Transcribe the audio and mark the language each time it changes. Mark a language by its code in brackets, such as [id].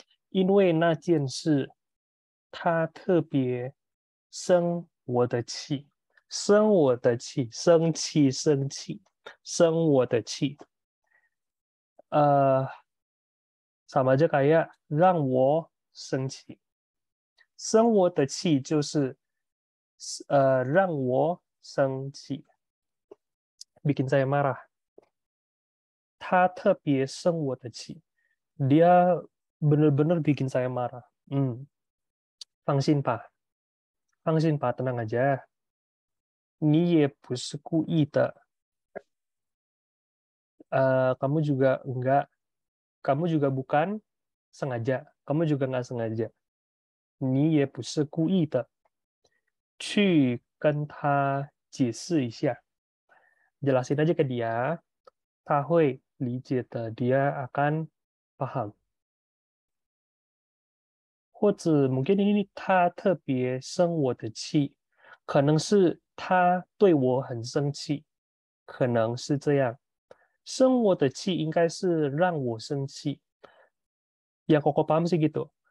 [zh] 因为那件事，他特别生我的气，生我的气，生气，生气，生我的气。 [id] sama aja kayak [zh] 让我生气，生我的气就是，让我生气， [id] bikin saya marah。 [zh] 他特别生我的气， [id] dia benar-benar bikin saya marah。 [zh] 放心吧， [id] tenang aja。 [zh] 你也不是故意的。 [id] Kamu juga bukan sengaja。 Kamu juga nggak sengaja。 [zh] 你也不是故意的。去跟他解释一下， [id] jelasin aja ke dia， [zh] 他会。理解的， [id] dia akan paham。 [zh] 或者 [id] mungkin ini [zh] 他特别生我的气，可能是他对我很生气，可能是这样。生我的气应该是让我生气。 [id] Ya kok paham sih gitu.